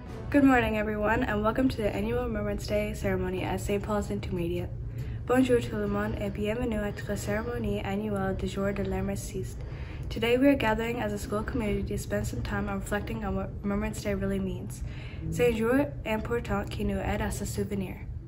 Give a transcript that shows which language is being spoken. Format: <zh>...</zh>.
<en>Good morning, everyone, and welcome to the annual Remembrance Day ceremony at St. Paul's Intermediate.</en> <fr>Bonjour tout le monde et bienvenue à la cérémonie annuelle du jour de l'armistice.</fr> <en>Today we are gathering as a school community to spend some time on reflecting on what Remembrance Day really means.</en> <fr>C'est un jour important qui nous aide à se souvenir.</fr>